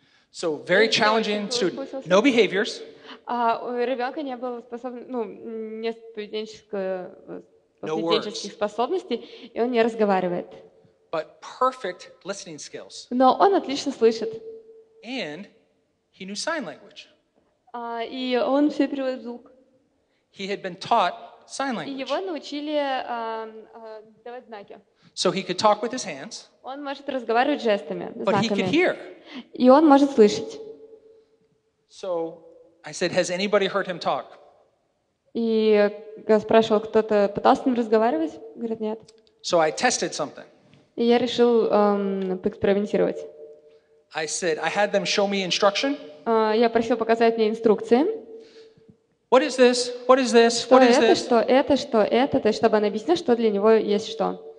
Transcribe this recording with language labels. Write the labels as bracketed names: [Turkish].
[English] So, very challenging student. No behaviors. [Russian] У ребенка не было способностей, и он не разговаривает. [English] But perfect listening skills. [Russian] Но он отлично слышит. [English] And he knew sign language. [Russian] И он все переводит в звук. [English] He had been taught sign language. [Russian] И его научили давать знаки. [English] So he could talk with his hands. [Russian] Он может разговаривать жестами, [English] but [Russian] знаками. [English] He could hear. [Russian] И он может слышать. [English] So I said, has anybody heard him talk? [Russian] И я спрашивал, кто-то пытался с ним разговаривать? Говорят, нет. [English] So I tested something. [Russian] И я решил поэкспериментировать. [English] I said, I had them show me instruction. [Russian] Я просил показать мне инструкции. [English] What is this? What is this? What is this? [Russian] Что это? Что это? То есть, чтобы она объяснила, что для него есть что.